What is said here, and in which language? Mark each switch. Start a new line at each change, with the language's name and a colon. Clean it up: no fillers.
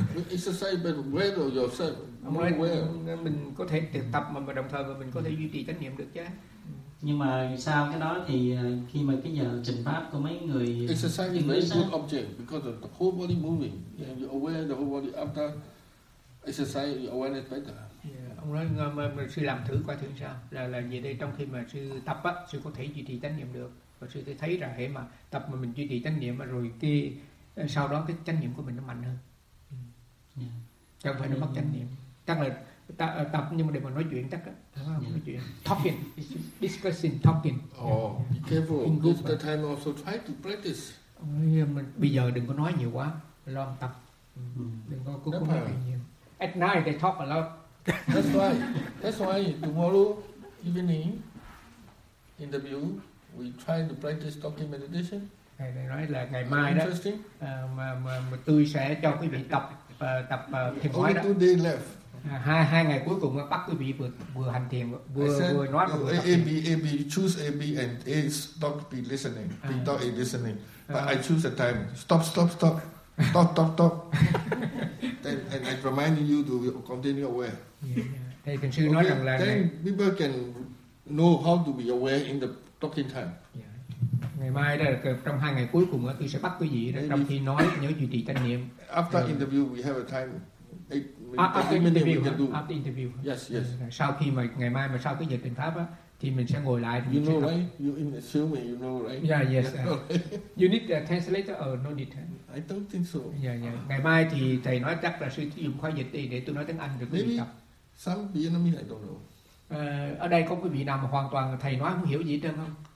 English: Exercise but well or yourself? More well.
Vietnamese: Mình có thể tự tập mà đồng thời mình có thể duy trì chánh niệm được chứ. Nhưng mà sau cái đó thì khi mà cái giờ trình pháp của mấy người
English: exercise is very good object because the whole body moving and you're aware the whole body after exercise you're aware it better. Yeah.
Vietnamese: Ông nói mà sư làm thử coi thử sao là như đây, trong khi mà sư tập á, sư có thể duy trì chánh niệm được, và sư thấy rằng hệ mà tập mà mình duy trì chánh niệm rồi cái sau đó cái chánh niệm của mình nó mạnh hơn.
English: Yeah.
Vietnamese: Chẳng phải nó mất chánh niệm, chắc là tập nhưng mà để mà nói chuyện chắc á.
English: Talking, discussing, talking. Oh, be careful. In this the time also try to practice.
Vietnamese: Bây giờ đừng có nói nhiều quá, lo tập. Đừng có cố nói nhiều.
English: At night they talk a lot. That's why tomorrow evening interview we try to practice talking meditation.
Vietnamese: Thầy nói là ngày mai đó mà tôi sẽ cho quý vị tập thiền hóa đó.
English: Only 2 days left.
Vietnamese: Hai ngày cuối cùng bắt quý vị vừa hành thiền vừa nói và vừa
English: A B choose A B and A stop be listening, B stop A listening. But I choose the time stop. Then and I remind you to continue aware. Yeah.
Vietnamese: Thầy thiền sư nói rằng là
English: then people can know how to be aware in the talking time.
Vietnamese: Ngày mai đó là trong 2 ngày cuối cùng đó, tôi sẽ bắt quý vị đó, trong khi nói nhớ duy trì chánh niệm.
English: After interview we have a time. After interview. Yes.
Vietnamese: Sau khi mà ngày mai mà sau cái giờ trình pháp á, thì mình sẽ ngồi lại.
English: You know right? You in the show me, you know right? Yeah, yes. You need a translator or no need? I don't think so. Yeah.
Vietnamese: Ngày mai thì thầy nói chắc là sư dùng khoa dịch đi để tôi nói tiếng Anh được.
English: Maybe some Vietnamese I don't know.
Vietnamese: Ở đây có quý vị nào mà hoàn toàn thầy nói không hiểu gì hết trơn không?